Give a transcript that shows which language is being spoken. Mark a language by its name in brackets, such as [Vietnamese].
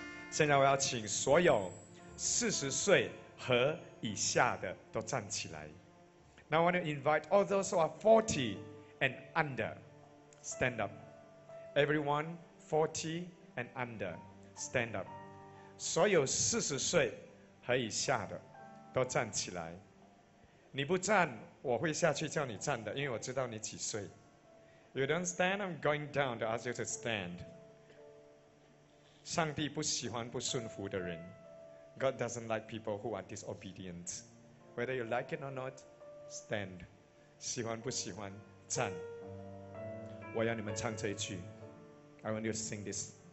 [Chinese] 现在我要请所有40岁和以下的都站起来。 [English] Now I want to invite all those who are 40 and under, stand up. Everyone 40 and under, stand up. [Chinese] 所有40岁和以下的都站起来。你不站，我会下去叫你站的，因为我知道你几岁。 [English] You don't stand, I'm going down to ask you to stand. [Chinese] 上帝不喜欢不顺服的人。 [English] God doesn't like people who are disobedient. Whether you like it or not, stand. [Chinese] 喜欢不喜欢，站。我要你们唱这一句， [English] I want you to sing this.